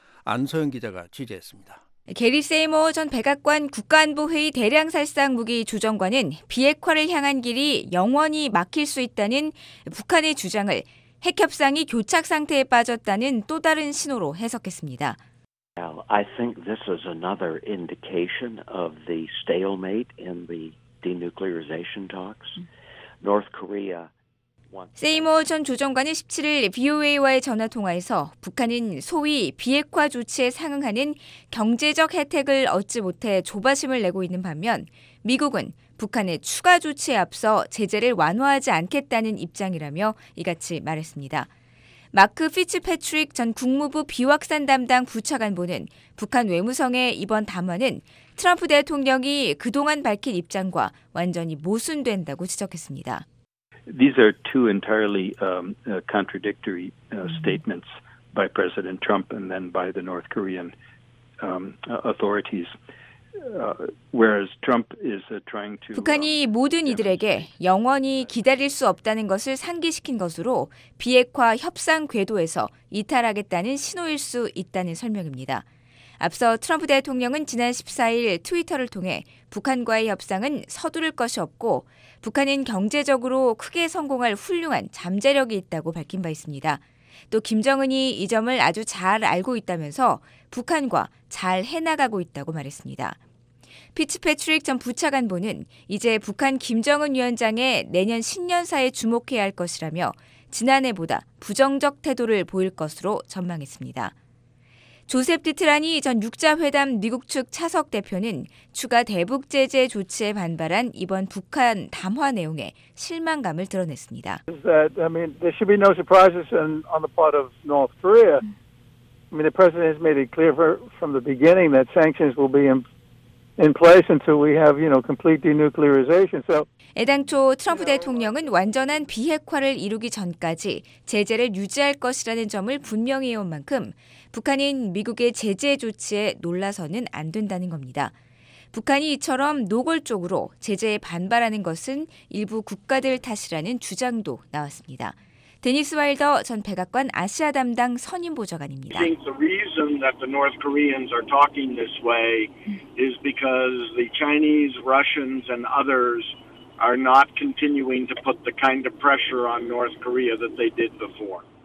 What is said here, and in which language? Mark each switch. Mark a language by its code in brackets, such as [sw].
[ko] 안소영 기자가 취재했습니다. 게리 세이머 전 백악관 국가안보회의 대량살상 무기 조정관은 비핵화를 향한 길이 영원히 막힐 수 있다는 북한의 주장을 핵협상이 교착상태에 빠졌다는 또 다른 신호로 해석했습니다. [en] I think this is another indication of the stalemate in the denuclearization talks. North Korea. [ko] 세이머 전 조정관은 17일 VOA와의 전화통화에서 북한은 소위 비핵화 조치에 상응하는 경제적 혜택을 얻지 못해 조바심을 내고 있는 반면 미국은 북한의 추가 조치에 앞서 제재를 완화하지 않겠다는 입장이라며 이같이 말했습니다. 마크 피츠패트릭 전 국무부 비확산 담당 부차관보는 북한 외무성의 이번 담화는 트럼프 대통령이 그동안 밝힌 입장과 완전히 모순된다고 지적했습니다. [en] These are two entirely contradictory statements by President Trump and then by the North Korean authorities. Whereas Trump is trying to [ko] 북한이 모든 이들에게 영원히 기다릴 수 없다는 것을 상기시킨 것으로 비핵화 협상 궤도에서 이탈하겠다는 신호일 수 있다는 설명입니다. 앞서 트럼프 대통령은 지난 14일 트위터를 통해 북한과의 협상은 서두를 것이 없고 북한은 경제적으로 크게 성공할 훌륭한 잠재력이 있다고 밝힌 바 있습니다. 또 김정은이 이 점을 아주 잘 알고 있다면서 북한과 잘 해나가고 있다고 말했습니다. 피츠패트릭 전 부차관보는 이제 북한 김정은 위원장의 내년 신년사에 주목해야 할 것이라며 지난해보다 부정적 태도를 보일 것으로 전망했습니다. 조셉 디트라니 전 6자회담 미국 측 차석 대표는 추가 대북 제재 조치에 반발한 이번 북한 담화 내용에 실망감을 드러냈습니다. [en] There should be no surprises on the part of North Korea. I mean, the president has made it clear from the beginning that sanctions will be in place until we have, you know, complete denuclearization. So [ko] 애당초 트럼프 대통령은 완전한 비핵화를 이루기 전까지 제재를 유지할 것이라는 점을 분명히 해온 만큼 북한은 미국의 제재 조치에 놀라서는 안 된다는 겁니다. 북한이 이처럼 노골적으로 제재에 반발하는 것은 일부 국가들 탓이라는 주장도 나왔습니다. 데니스 와일더 전 백악관 아시아 담당 선임 보좌관입니다. [en] That the North Koreans are talking this way is because the Chinese, Russians and others are not continuing to put the kind of pressure on North Korea that they did before.